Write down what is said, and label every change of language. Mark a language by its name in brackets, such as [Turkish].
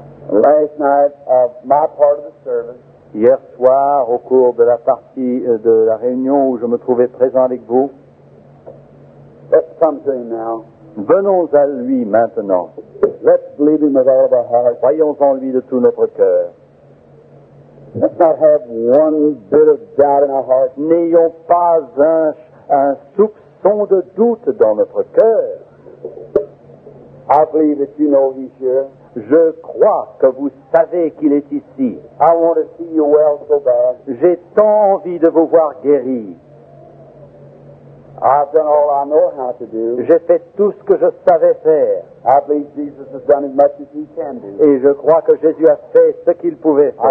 [English] Last night of my part of the service, [French] hier soir, au cours de la partie de la réunion où je me trouvais présent avec vous, [English] let's come to him now. [French] Venons à lui maintenant. [English] Let's believe him with all of our heart. [French] Croyons en lui de tout notre cœur. [English] Let's not have one bit of doubt in our heart. [French] N'ayons pas un soupçon de doute dans notre cœur. [English] I believe that you know he's here. [French] Je crois que vous savez qu'il est ici. [English] I want to see you well so bad. [French] J'ai tant envie de vous voir guéri. [English] I've done all I know how to do. [French] J'ai fait tout ce que je savais faire. [English] I believe Jesus has done as much as he can do. [French] Et je crois que Jésus a fait ce qu'il pouvait faire.